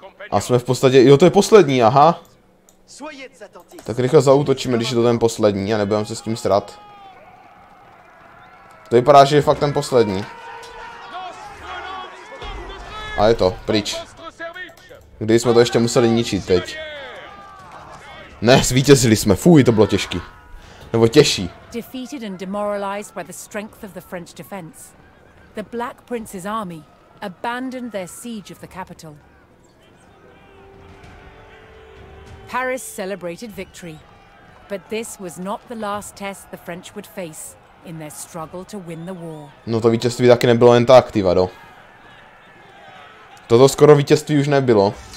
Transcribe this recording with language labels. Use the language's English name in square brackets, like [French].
[Czech] A jsme v podstatě, jo, to je poslední, aha. Tak rychle zaútočíme, když je to ten poslední a nebudeme se s tím srat. To vypadá, že je fakt ten poslední. A je to, pryč. Kdy jsme to ještě museli ničit teď. Ne, zvítězili jsme, fuj, to bylo těžký. Nebo těžší. [English] Defeated and demoralized by the strength of the French defense. The Black Prince's army abandoned their siege of the capital. Paris celebrated victory. But this was not the last test the French would face in their struggle to win the war. [Czech] No to vítězství taky nebylo jen tak, ty vado. Toto skoro vítězství už nebylo.